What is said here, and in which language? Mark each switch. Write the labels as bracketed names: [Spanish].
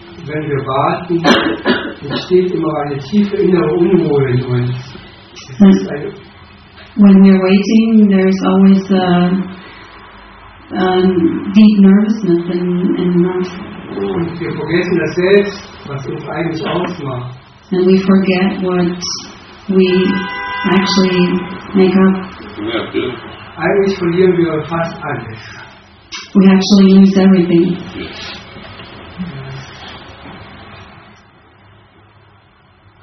[German] Wenn wir warten, entsteht immer eine tiefe innere Unruhe in uns. [English] When we're waiting, there's always a deep nervousness in us. [German] Und wir vergessen das selbst, was uns eigentlich ausmacht. [English] And we forget what we actually make up. Yeah, [German] eigentlich verlieren wir fast alles. [English] We actually lose everything. Yes.